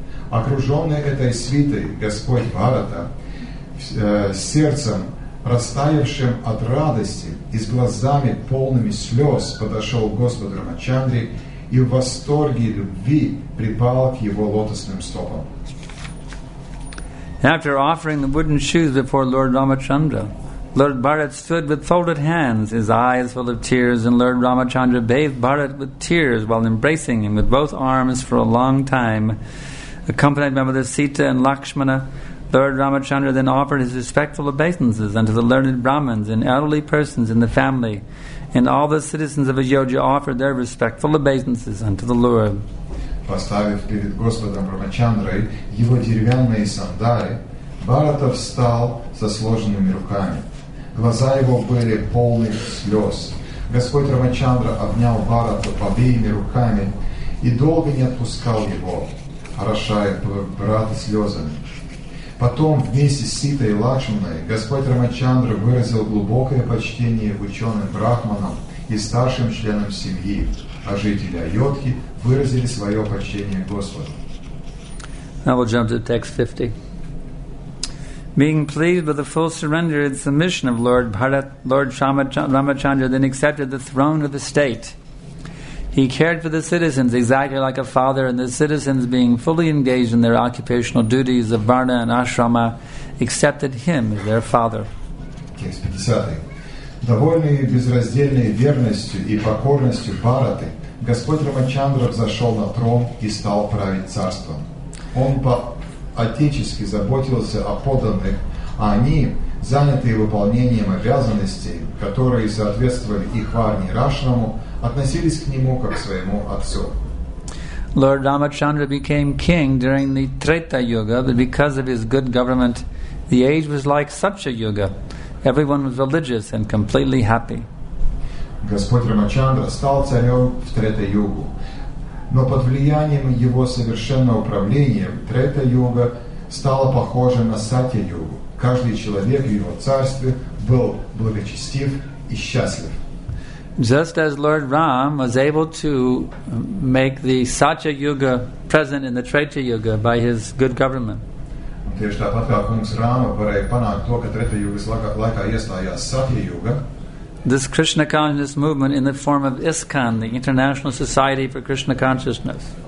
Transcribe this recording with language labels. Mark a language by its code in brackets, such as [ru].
[ru] Окруженный этой свитой Господь Бхарата, сердцем растаявшим от радости и с глазами полными слез, подошел к Господу Рамачандре и в восторге любви припал к его лотосным стопам. [en] After offering the wooden shoes before Lord Ramachandra, Lord Bharat stood with folded hands, his eyes full of tears, and Lord Ramachandra bathed Bharat with tears while embracing him with both arms for a long time. Accompanied by Mother Sita and Lakshmana, Lord Ramachandra then offered his respectful obeisances unto the learned Brahmins and elderly persons in the family, and all the citizens of Ayodhya offered their respectful obeisances unto the Lord. [ru] Поставив перед Господом Рамачандрой его деревянные сандалии, Бхарата встал со сложенными руками. Глаза его были полны слез. Господь Рамачандра обнял Бхарата обеими руками и долго не отпускал его, орошая брата слезами. Потом вместе с Ситой и Лакшманой Господь Рамачандра выразил глубокое почтение ученым брахманам и старшим членам семьи, а жители Айодхи выразили свое почтение Господу. [en] I will jump to text 50. Being pleased with the full surrender and submission of Lord Bharat, Lord Ramachandra then accepted the throne of the state. He cared for the citizens exactly like a father, and the citizens, being fully engaged in their occupational duties of varna and ashrama, accepted him as their father. [ru] текст 50. Довольный безраздельной верностью и покорностью Бхараты, Господь Рамачандра взошел на трон и стал править царством. Он по-отечески заботился о подданных, а они, занятые выполнением обязанностей, которые соответствовали их варне Рашнаму, относились к нему как к своему отцу. [en] Lord Ramachandra became king during the Treta Yuga, but because of his good government, the age was like such a yuga. Everyone was religious and completely happy. [ru] Господь Рамачандра стал царем в Трета Югу, но под влиянием его совершенного правления Трета Юга стала похожа на Сатья Югу. Каждый человек в его царстве был благочестив и счастлив. [en] Just as Lord Ram was able to make the Satya Yuga present in the Treta Yuga by his good government. This Krishna consciousness movement in the form of ISKCON, the International Society for Krishna Consciousness.